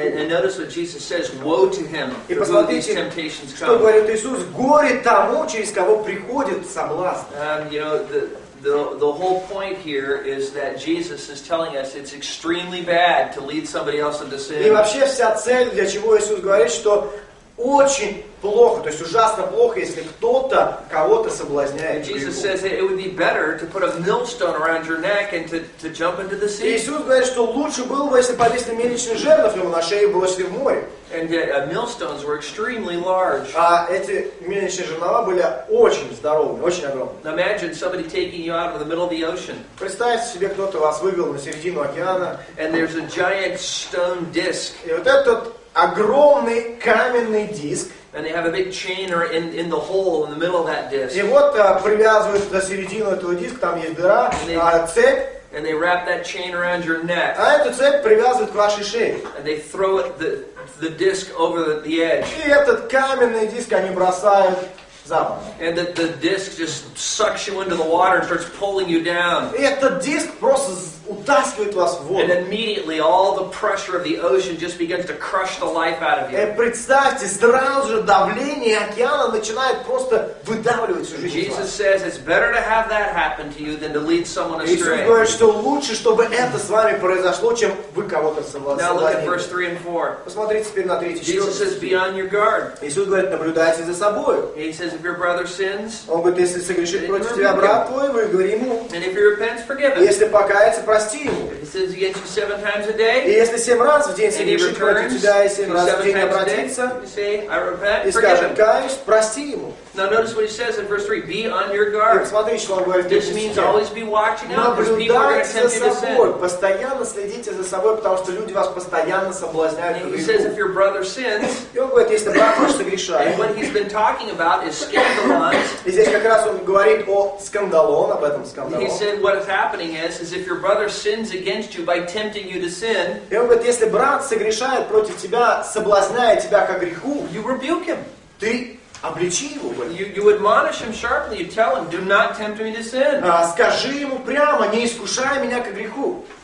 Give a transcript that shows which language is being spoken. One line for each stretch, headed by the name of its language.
English: And notice what Jesus says, woe to him.
Russian: И посмотрите, что говорит Иисус, горе тому, через кого приходит соблазн.
English: You know, the whole point here is that Jesus is telling us it's extremely bad to lead somebody else into sin.
Russian: И вообще вся цель, для чего Иисус говорит, что очень плохо, то есть ужасно плохо, если кто-то кого-то соблазняет.
English: Jesus says it would be better to put a millstone around your neck and to jump into the sea.
Russian: Иисус говорит, что лучше было бы, если повесили мельничный жернов ему на шею и бросили в море.
English: And millstones were extremely large.
Russian: Эти мельничные жернова были очень здоровыми, очень огромными.
English: Imagine somebody taking you out of the middle of the ocean.
Russian: Представьте себе, кто-то вас вывел на середину океана.
English: And there's a giant stone disc.
Russian: И вот этот огромный каменный диск.
English: And they have a big chain or in the hole in the middle of that disc.
Russian: И вот привязывают на середину этого диска, там есть дыра, цепь.
English: And they wrap that chain around your neck.
Russian: А эту цепь привязывают к вашей шее.
English: And they throw the disc over the edge.
Russian: И этот каменный диск они бросают.
English: And the disc just sucks you into the water and starts pulling you down.
Russian: Этот диск просто утаскивает вас в воду.
English: And immediately all the pressure of the ocean just begins to crush the life out of you.
Russian: Представьте, сразу же давление океана начинает просто выдавливать всю жизнь.
English: Jesus says it's better to have that happen to you than to lead someone astray.
Russian: Иисус говорит, что лучше, чтобы это с вами произошло, чем вы кого-то соблазнили.
English: Now look at verse 3 and 4.
Russian: Посмотрите теперь на 3-4.
English: Jesus says, be on your guard.
Russian: Иисус говорит, наблюдайте за собой.
English: If your brother sins,
Russian: он говорит, если согрешит против тебя брат твой, выговори ему.
English: And if he repents, forgive him.
Russian: Если покается, прости ему.
English: He says against you 7 times a day.
Russian: И если 7 раз в день согрешит против тебя, и 7 раз в день обратиться,
English: say, I repent,
Russian: и скажет, каюсь, прости ему.
English: Now notice what he says in verse 3. Be on your guard.
Russian: Смотрите, что он говорит.
English: This means always be watching out because people are going to tempt you to sin.
Russian: Постоянно следите за собой, потому что люди вас постоянно соблазняют.
English: He says if your brother sins.
Russian: И он говорит, если брат ваш согрешает.
English: And what he's been talking about is scandalons.
Russian: И здесь как раз он говорит о скандалон, об этом скандалон.
English: He said what is happening is if your brother sins against you by tempting you to sin.
Russian: И он говорит, если брат согрешает против тебя, соблазняя тебя ко греху.
English: You rebuke him.
Russian: Ты обличи его.
English: You admonish him sharply. You tell him, do not tempt me to sin.
Russian: Скажи ему прямо, не искушай меня ко греху.